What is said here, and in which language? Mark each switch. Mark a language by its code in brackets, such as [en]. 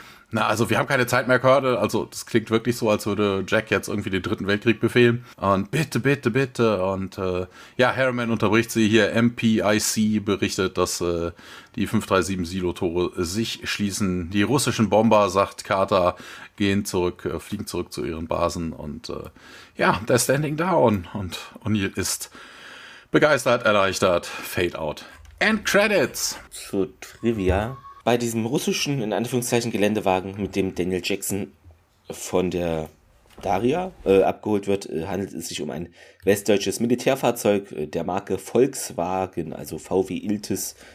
[de] Na, also wir haben keine Zeit mehr gerade. Also das klingt wirklich so, als würde Jack jetzt irgendwie den Dritten Weltkrieg befehlen. Und bitte, bitte, bitte. Und ja, Harriman unterbricht sie hier. MPIC berichtet, dass die 537-Silo-Tore sich schließen. Die russischen Bomber, sagt Carter, gehen zurück, fliegen zurück zu ihren Basen. [en] Und ja, they're standing down. [de] Und O'Neill ist begeistert, erleichtert. [en] Fade out. End Credits. [de] Zu Trivia. Bei diesem russischen, in Anführungszeichen, Geländewagen, mit dem Daniel Jackson von der Daria abgeholt wird, handelt es sich um ein westdeutsches Militärfahrzeug der Marke Volkswagen, also VW Iltis.